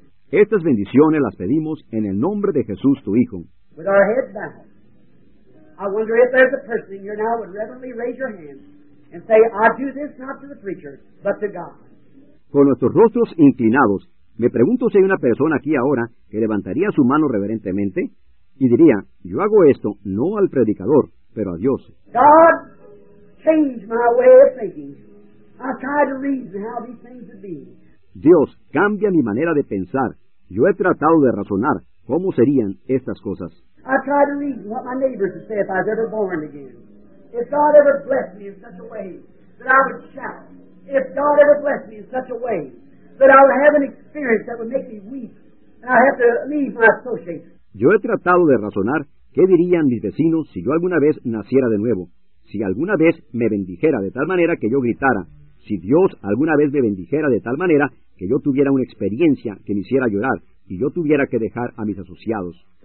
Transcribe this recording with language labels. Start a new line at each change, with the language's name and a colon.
Spanish: Estas bendiciones las pedimos en el nombre de Jesús, tu Hijo.
English: With our heads bowed, I wonder if there's a person here now would reverently raise your hand and say, I do this not to the preacher, but to God.
Spanish: Con nuestros rostros inclinados, me pregunto si hay una persona aquí ahora que levantaría su mano reverentemente y diría, yo hago esto no al predicador, pero a Dios.
English: God changed my way of thinking. I tried to reason how these things would be.
Spanish: Dios cambia mi manera de pensar. Yo he tratado de razonar cómo serían estas cosas.
English: I tried to reason what my neighbors would say if I was ever born again. If God ever blessed me in such a way that I would shout. If God ever blessed me in such a way that I would have an experience that would make me weep and I have to leave my associates.
Spanish: Yo he tratado de razonar qué dirían mis vecinos si yo alguna vez naciera de nuevo. Si alguna vez me bendijera de tal manera que yo gritara, si Dios alguna vez me bendijera de tal manera que yo tuviera una experiencia que me hiciera llorar y yo tuviera que dejar a mis asociados.